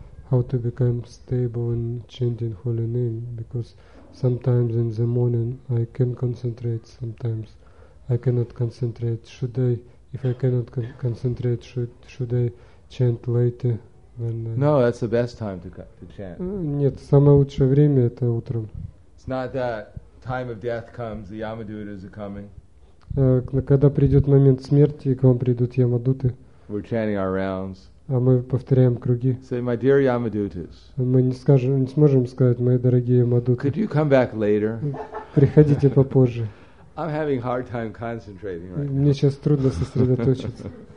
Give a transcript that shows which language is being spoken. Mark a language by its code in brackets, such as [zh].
[en] How to become stable in chanting holy name, because sometimes in the morning I can concentrate, sometimes I cannot concentrate. Should I, if I cannot concentrate, should I chant later? When no, that's the best time to chant. [ru] Нет, самое лучшее время это утром. [en] It's not that time of death comes, the Yamadutas are coming. [ru] Когда придет момент смерти, к вам придут Ямадуты. [en] We're chanting our rounds. [ru] А мы повторяем круги. [en] Say, my dear Yamadutas. [ru] Мы не сможем сказать, мои дорогие Ямадуты. [en] Could you come back later? [ru] Приходите попозже. [en] I'm having hard time concentrating right now. [ru] Мне сейчас трудно сосредоточиться.